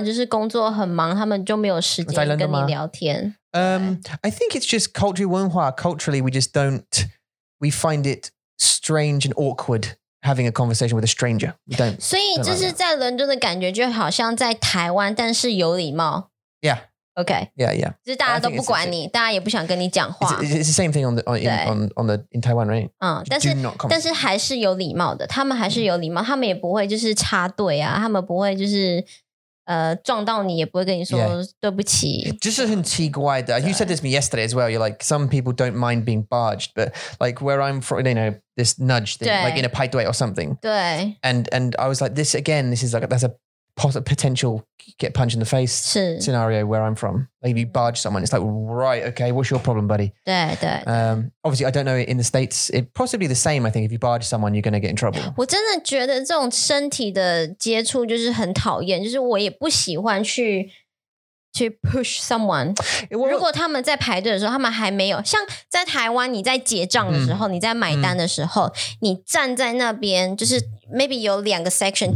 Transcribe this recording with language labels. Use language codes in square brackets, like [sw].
[zh] 就是工作很忙, 他们就没有时间跟你聊天。 [en] I think it's just culturally, we just don't, we find it strange and awkward having a conversation with a stranger. We don't. [zh] 所以就是在伦敦的感觉就好像在台湾, 但是有礼貌。 [en] Yeah. Okay. Yeah, yeah. [zh] 就是大家都不管你，大家也不想跟你讲话。 [en] It's the same thing in Taiwan, right? [zh] 但是还是有礼貌的，他们还是有礼貌，他们也不会就是插队啊，他们不会就是撞到你，也不会跟你说对不起。就是很奇怪的。 [en] You said this to me yesterday as well. You're like, some people don't mind being barged, but like where I'm from, you know, this nudge thing, like in a pipeway or something. [zh] 对。 [en] And I was like, this again. This is like that's a potential get punched in the face scenario where I'm from. Like if you barge someone, it's like, right, okay, what's your problem, buddy? [zh] 对对。 [en] Obviously, I don't know in the States, it possibly the same, I think, if you barge someone, you're going to get in trouble. [zh] 我真的觉得这种身体的接触就是很讨厌, 就是我也不喜欢去 [en] to push someone. [zh] 如果他们在排队的时候，他们还没有，像在台湾，你在结账的时候，你在买单的时候，你站在那边，就是 maybe 有两个 section.